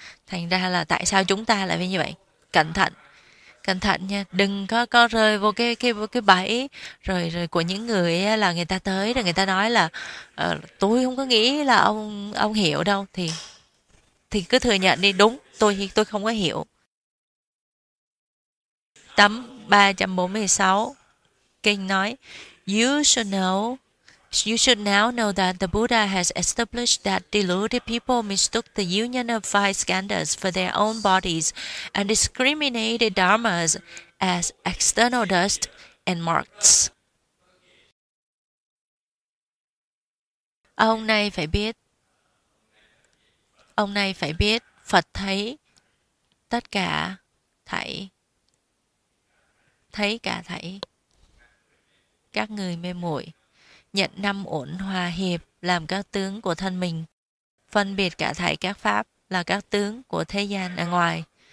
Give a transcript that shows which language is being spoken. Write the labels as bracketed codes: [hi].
[vi] Thành ra là tại sao chúng ta lại như vậy? Cẩn thận. Cẩn thận nha, đừng có rơi vô cái bẫy rồi của những người ấy, là người ta tới rồi người ta nói là tôi không có nghĩ là ông hiểu đâu, thì cứ thừa nhận đi, đúng tôi không có hiểu. tấm 346, kinh nói, [en] You should now know that the Buddha has established that deluded people mistook the union of five skandhas for their own bodies and discriminated dharmas as external dust and marks. [vi] Ông này phải biết Phật thấy tất cả thảy, thấy cả thảy các người mê muội, nhận năm uẩn hòa hiệp làm các tướng của thân mình, phân biệt cả thảy các pháp là các tướng của thế gian ở ngoài.